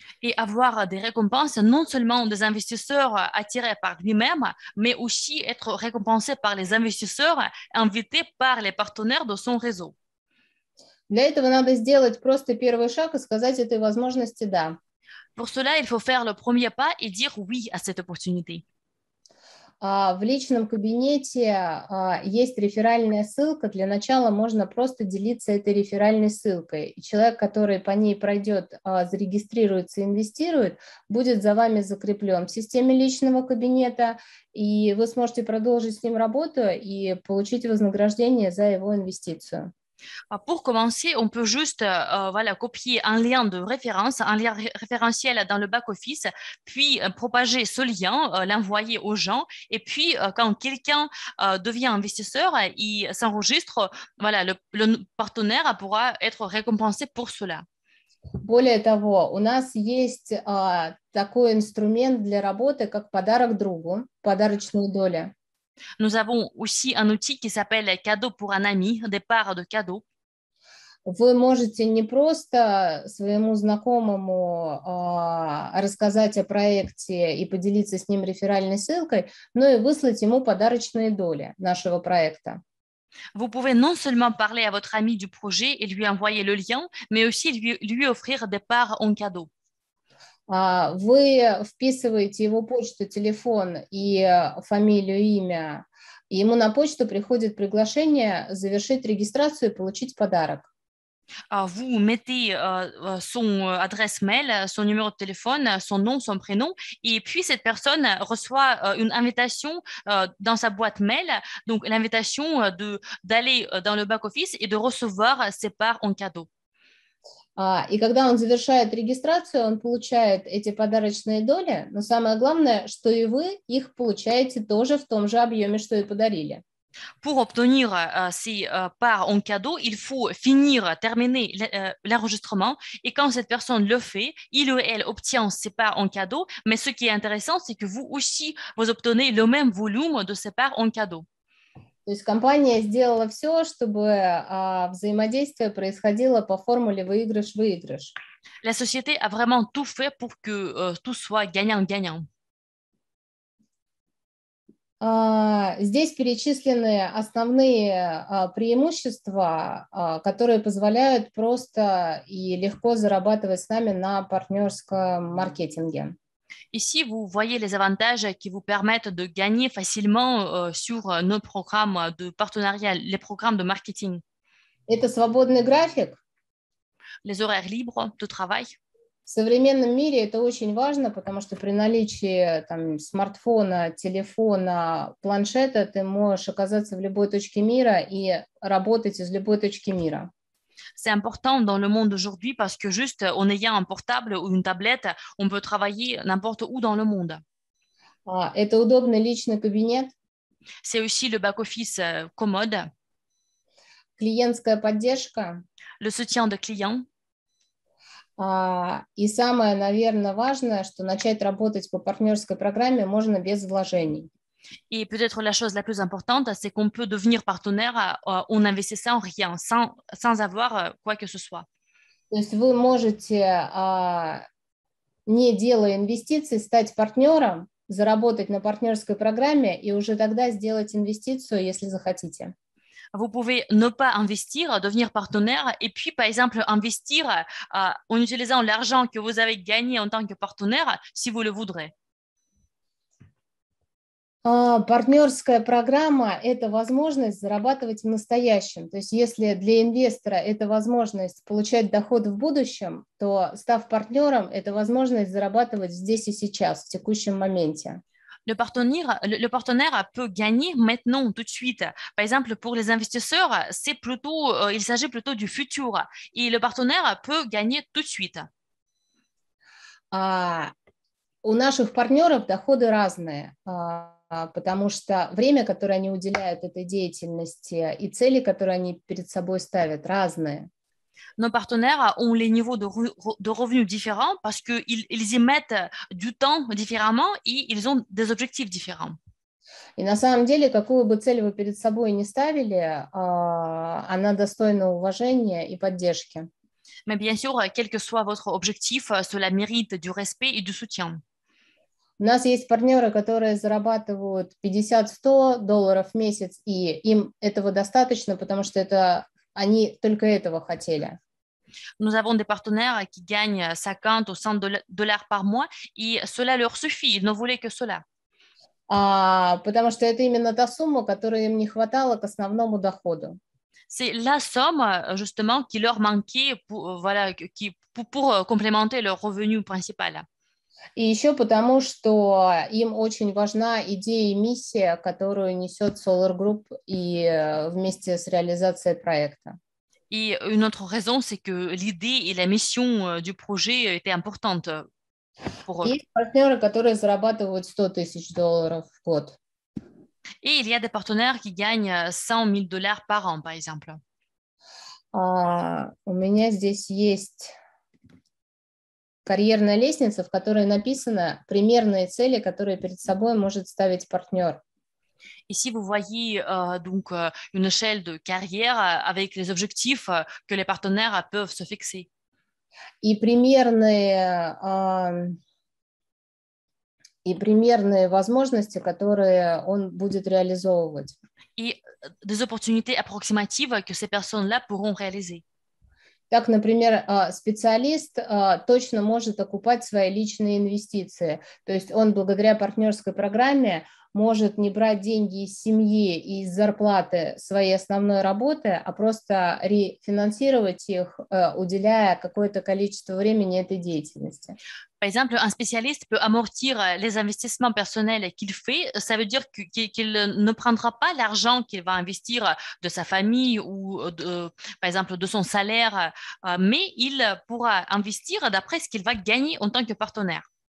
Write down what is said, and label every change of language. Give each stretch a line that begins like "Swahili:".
French: Et avoir des récompenses non seulement des investisseurs attirés par lui-même, mais aussi être récompensé par les investisseurs invités par les partenaires de son réseau.
Russian: Для этого надо сделать просто первый шаг и сказать этой возможности «да».
French: Pour cela, il faut faire le premier pas et dire «oui» à cette opportunité.
Russian: В личном кабинете есть реферальная ссылка. Для начала можно просто делиться этой реферальной ссылкой. И человек, который по ней пройдет, зарегистрируется, инвестирует, будет за вами закреплен в системе личного кабинета, и вы сможете продолжить с ним работу и получить вознаграждение за его инвестицию.
French: Pour commencer, on peut juste voilà, copier un lien de référence, un lien référentiel dans le back-office, puis propager ce lien, l'envoyer aux gens. Et puis, quand quelqu'un devient investisseur, il s'enregistre, voilà, le partenaire pourra être récompensé pour cela.
Russian: Более того, у нас есть такой инструмент для работы, как подарок другу, подарочную долю.
French: Nous avons aussi un outil qui s'appelle cadeau pour un ami, départ de cadeau.
Russian: Вы можете не просто своему знакомому рассказать о проекте и поделиться с ним реферальной ссылкой, но и выслать ему подарочные доли нашего проекта.
French: Vous pouvez non seulement parler à votre ami du projet et lui envoyer le lien, mais aussi lui offrir des parts en cadeau.
Russian: Вы вписываете его почту, телефон и фамилию, имя, и ему на почту приходит приглашение завершить регистрацию и получить подарок.
French: Vous mettez son adresse mail, son numéro de téléphone, son nom, son prénom, et puis cette personne reçoit une invitation dans sa boîte mail, donc l'invitation d'aller dans le back-office et de recevoir ses parts en cadeau.
Russian: И когда он завершает регистрацию, он получает эти подарочные доли, но самое главное, что и вы их получаете тоже в том же объеме, что и подарили.
French: Pour obtenir ces parts en cadeau, il faut finir, terminer l'enregistrement. Et quand cette personne le fait, il ou elle obtient ses parts en cadeau. Mais ce qui est intéressant, c'est que vous aussi, vous obtenez le même volume de ces parts en cadeau.
Russian: То есть компания сделала все, чтобы взаимодействие происходило по формуле выигрыш-выигрыш.
French: La société a vraiment tout fait pour que tout soit gagnant-gagnant.
Russian: Здесь перечислены основные преимущества, которые позволяют просто и легко зарабатывать с нами на партнерском маркетинге.
French: Ici, vous voyez les avantages qui vous permettent de gagner facilement sur nos programmes de partenariat, les programmes de marketing.
Russian: Это свободный график.
French: Les horaires libres de travail.
Russian: В современном мире это очень важно, потому что при наличии там, смартфона, телефона, планшета ты можешь оказаться в любой точке мира и работать из любой точки мира.
French: C'est important dans le monde aujourd'hui parce que juste en ayant un portable ou une tablette, on peut travailler n'importe où dans le monde.
Russian: Это удобный личный кабинет.
French: C'est aussi le back-office commode.
Russian: Клиентская поддержка.
French: Le soutien de client.
Russian: И самое, наверное, важное, что начать работать по партнерской программе можно без вложений.
French: И, peut-être la chose la plus importante, c'est qu'on peut devenir partenaire en investissant rien, sans avoir quoi que ce soit.
Russian: То есть вы можете, не делая инвестиций, стать партнером, заработать на партнерской программе и уже тогда сделать инвестицию, если захотите.
French: Vous pouvez ne pas investir, devenir partenaire, et puis, par exemple, investir en utilisant l'argent que vous avez gagné en tant que partenaire, si vous le voudrez.
Russian: Партнерская программа – это возможность зарабатывать в настоящем. То есть если для инвестора это возможность получать доход в будущем, то, став партнером, это возможность зарабатывать здесь и сейчас, в текущем моменте.
French: Le partenaire peut gagner maintenant, tout de suite. Par exemple, pour les investisseurs, c'est plutôt, il s'agit plutôt du futur. Et le partenaire peut gagner tout de suite.
Russian: У наших партнеров доходы разные, потому что время, которое они уделяют этой деятельности, и цели, которые они перед собой ставят, разные.
French: Nos partenaires ont les niveaux de revenus différents parce qu'ils y mettent du temps différemment et ils ont des objectifs différents.
Russian: И на самом деле, какую бы цель вы перед собой не ставили, она достойна уважения и поддержки.
French: Mais bien sûr, quel que soit votre objectif, cela mérite du respect et du soutien.
Russian: У нас есть партнеры, которые зарабатывают 50-100 долларов в месяц, и им этого достаточно, потому что это... Они только этого хотели.
French: Nous avons des partenaires qui gagnent 50 ou 100 dollars par mois, et cela leur suffit, ils ne voulaient que cela.
Russian: Потому что это именно та сумма, которой им не хватало к основному доходу.
French: C'est la somme, justement, qui leur manquait pour, voilà, qui, pour complémenter leur revenu principal.
Russian: И еще потому, что им очень важна идея и миссия, которую несет Solar Group и вместе с реализацией проекта.
French: И une autre raison, c'est que l'idée et la mission du projet était importante pour eux.
Russian: Есть партнеры, которые зарабатывают 100 тысяч долларов в год.
French: И il y a des partenaires qui gagnent 100 000 dollars par an, par exemple.
Russian: У меня здесь есть... карьерная лестница, в которой написаны примерные цели, которые перед собой может ставить партнер.
French: И si vous voyez donc une échelle de carrière avec les objectifs que les partenaires peuvent se fixer.
Russian: И примерные возможности, которые он будет реализовывать.
French: И des opportunités approximatives que ces personnes-là pourront réaliser.
Russian: Так, например, специалист точно может окупать свои личные инвестиции. То есть он благодаря партнерской программе может не брать деньги из семьи и из зарплаты своей основной работы, а просто рефинансировать их, уделяя какое-то количество времени этой деятельности.
French: Par exemple, un spécialiste peut amortir les investissements personnels qu'il fait. Ça veut dire qu'il ne prendra pas l'argent qu'il va investir de sa famille ou, de, par exemple, de son salaire, mais il pourra investir d'après ce qu'il va gagner en tant que partenaire.